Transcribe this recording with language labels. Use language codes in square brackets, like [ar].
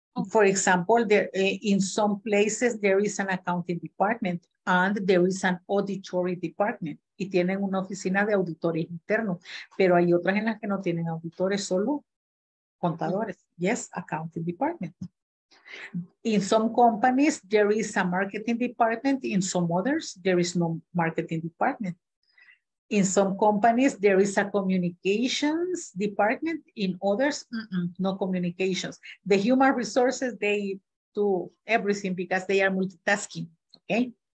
[en] For example, there, in some places there is an accounting department and there is an auditory department. [es] Y tienen una oficina de auditores internos, pero hay otras en las que no tienen auditores, solo contadores. [en] Yes, accounting department. In some companies there is a marketing department. In some others there is no marketing department. In some companies there is a communications department. In others, no communications. The human resources, they do everything because they are multitasking. Okay.